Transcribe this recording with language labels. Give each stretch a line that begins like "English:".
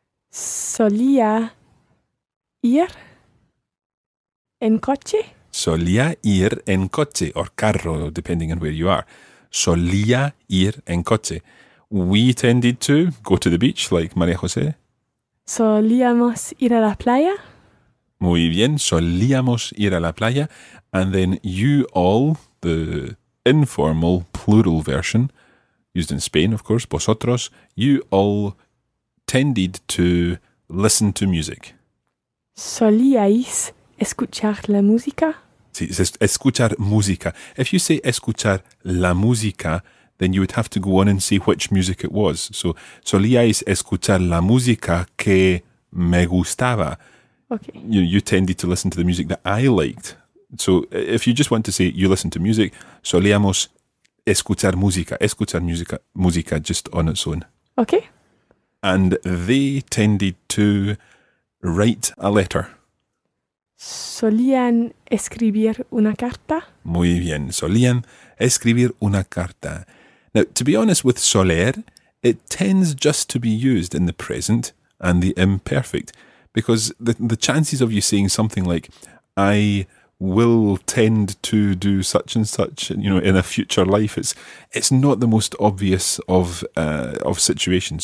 Spanish: Solía ir en coche.
English: Solía ir en coche, or carro, depending on where you are.
Spanish: Solía ir en coche.
English: We tended to go to the beach, like María José.
Spanish: Solíamos ir a la playa. Muy bien, solíamos ir a la playa.
English: And then you all, the informal plural version, used in Spain, of course, vosotros, you all tended to listen to music.
Spanish: Solíais escuchar la música. Sí, es escuchar música.
English: If you say escuchar la música, then you would have to go on and see which music it was.
Spanish: So, solíais escuchar la música que me gustaba.
English: Okay. You tended to listen to the music that I liked. So, if you just want to say you listen to music, solíamos escuchar música. Escuchar música, música just on its own. Okay. And they tended to write a letter.
Spanish: Solían escribir una carta. Muy bien. Solían escribir una carta.
English: Now, to be honest with soler, it tends just to be used in the present and the imperfect, because the chances of you saying something like, I will tend to do such and such, you know, in a future life, it's not the most obvious of situations.